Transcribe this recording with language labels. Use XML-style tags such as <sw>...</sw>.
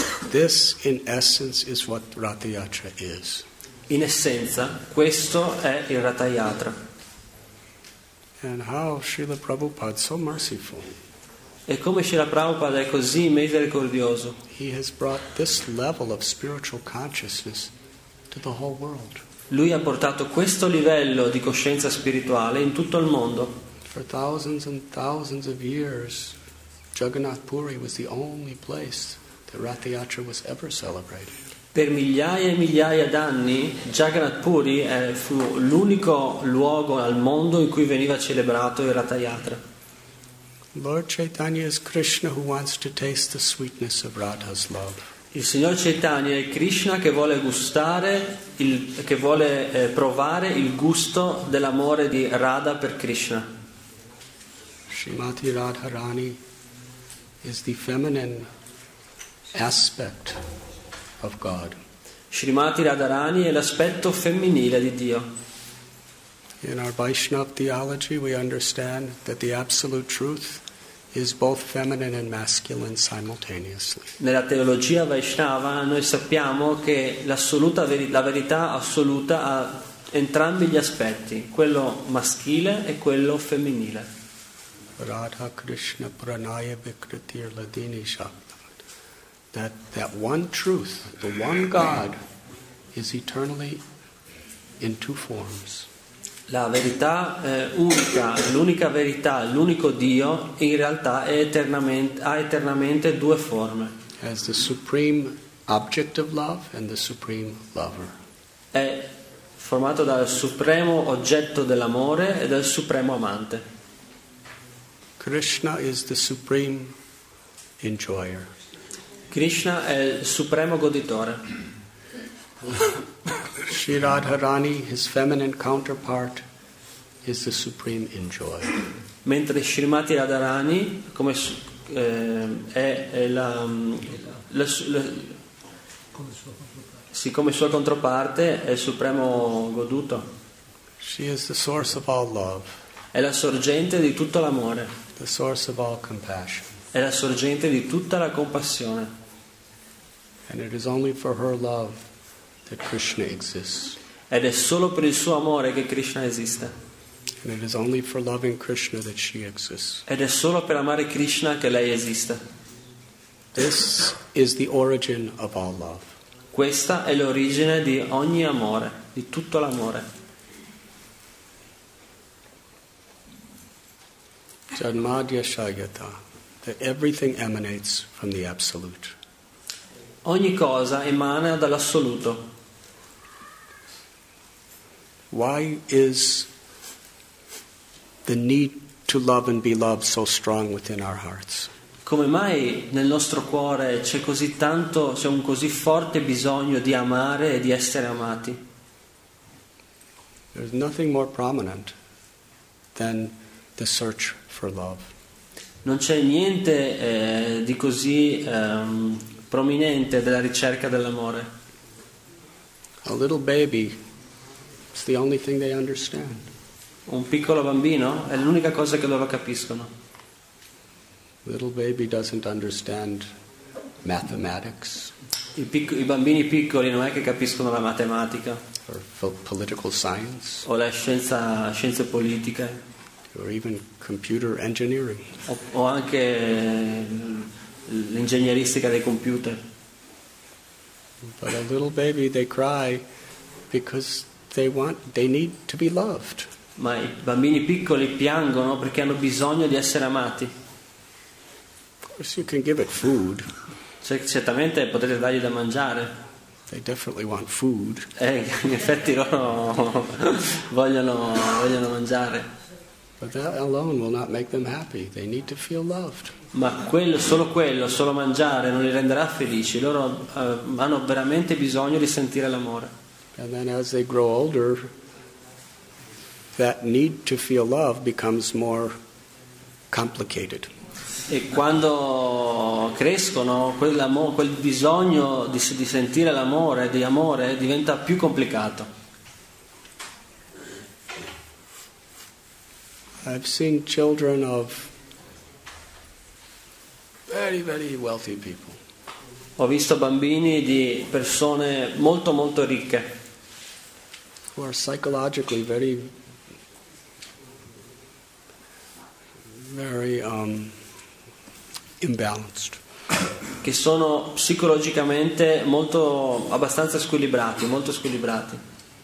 <en>This in essence is what Ratha Yatra is.</en> <it>In essenza questo è il Ratha Yatra.</it> <en>And how Srila Prabhupada so merciful.</en> <it>E come Srila Prabhupada è così misericordioso.</it> <en>He has brought this level of spiritual consciousness to the whole world.</en> <it>Lui ha portato questo livello di coscienza spirituale in tutto il mondo.</it> <en>For thousands and thousands of years, Jagannath Puri was the only place that Ratha Yatra was ever celebrated.</en> <it>Per migliaia e migliaia d'anni, Jagannath Puri fu l'unico luogo al mondo in cui veniva celebrato il Ratha Yatra.</it> <en>Lord Chaitanya is Krishna who wants to taste the sweetness of Radha's love.</en> <it>Il Signor Chaitanya è Krishna che vuole gustare, che vuole provare il gusto dell'amore di Radha per Krishna.</it> <en>Srimati Radharani is the feminine aspect of God.</en> <it>Srimati Radharani è l'aspetto femminile di Dio.</it> <en>In our Vaishnava theology we understand that the absolute truth is both feminine and masculine simultaneously.</en> <it>Nella teologia Vaishnava noi sappiamo che l'assoluta la verità assoluta ha entrambi gli aspetti, quello maschile e quello femminile.</it> <sa>Radha Krishna Pranaya Vikritir Ladini Shaktavat.</sa> <en>That one truth, the one God, is eternally in two forms.</en> <it>La verità unica, l'unica verità, l'unico Dio, in realtà è eternamente, ha eternamente due forme.</it> <en>As the supreme object of love and the supreme lover.</en> <it>È formato dal supremo oggetto dell'amore e dal supremo amante.</it> <en>Krishna is the supreme enjoyer.</en> <it>Krishna è il supremo goditore.</it> <en>Sri Radharani, his feminine counterpart, is the supreme enjoyer.</en> <it>Mentre Srimati Radharani, come è la, la, la sì, come sua controparte, è il supremo goduto.</it> <en>She is the source of all love.</en> <it>È la sorgente di tutto l'amore.</it> <en>The source of all compassion.</en> <it>È la sorgente di tutta la compassione.</it> <en>And it is only for her love that Krishna exists.</en> <it>Ed è solo per il suo amore che Krishna esiste.</it> <en>And it is only for loving Krishna that she exists.</en> <it>Ed è solo per amare Krishna che lei esiste.</it> <en>This is the origin of all love.</en> <it>Questa è l'origine di ogni amore, di tutto l'amore.</it> <sa>Janmadya Shayata,</sa> <en>that everything emanates from the absolute.</en> <it>Ogni cosa emana dall'assoluto.</it> <en>Why is the need to love and be loved so strong within our hearts?</en> <it>Come mai nel nostro cuore c'è così tanto, c'è un così forte bisogno di amare e di essere amati?</it> <en>There's nothing more prominent than the search for love.</en> <it>Non c'è niente di così prominente della ricerca dell'amore.</it> <en>A little baby. It's the only thing they understand.</en> <it>Un piccolo bambino è l'unica cosa che loro capiscono.</it> <en>Little baby doesn't understand mathematics.</en> <it>I bambini piccoli non è che capiscono la matematica.</it> <en>Or political science.</en> <it>O la scienze politiche.</it> <en>Or even computer engineering.</en> <it>O anche l'ingegneristica dei computer.</it> <en>But a little baby, they cry because they need to be loved.</en> <it>Ma i bambini piccoli piangono perché hanno bisogno di essere amati.</it> <en>Of course you can give it food.</en> <it>Cioè, certamente potete dargli da mangiare.</it> <en>They definitely want food.</en> <it>In effetti loro vogliono mangiare.</it> <en>But that alone will not make them happy. They need to feel loved.</en> <it>Ma quello, solo quello, solo mangiare non li renderà felici. Loro hanno veramente bisogno di sentire l'amore.</it> <en>And then as they grow older, that need to feel love becomes more complicated.</en> <it>E quando crescono, quel bisogno di sentire l'amore, di amore, diventa più complicato.</it> <en>I've seen children of very, very wealthy people.</en> <it>Ho visto bambini di persone molto, molto ricche.</it> <en>Who are psychologically very, very imbalanced.</en> <it>Che sono psicologicamente molto, abbastanza squilibrati, molto squilibrati.</it>